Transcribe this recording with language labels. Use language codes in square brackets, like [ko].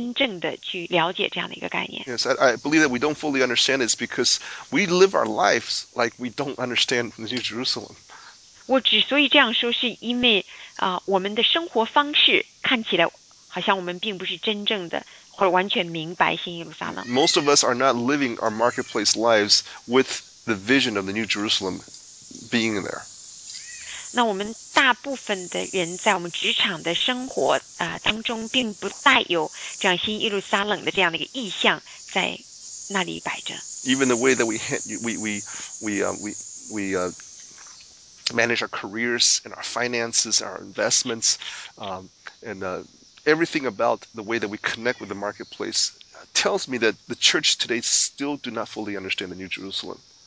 [zh] 我相信我们作为教会，包括这个现在的这个世界，就是因为这样的一个原因，不真正的去了解这样的一个概念。 [en] Yes, I believe that we don't fully understand it because we live our lives like we don't understand the New Jerusalem. [zh] 我之所以这样说，是因为我们的生活方式看起来好像我们并不是真正的或者完全明白新耶路撒冷。 [en] Most of us are not living our marketplace lives with the vision of the New Jerusalem being there. [zh] 那我们大部分的人在我们职场的生活当中，并不带有这样新耶路撒冷的这样的一个意象在那里摆着。 [en] Even the way that we manage our careers and our finances, our investments, everything about the way that we connect with the marketplace tells me that the church today still do not fully understand the New Jerusalem.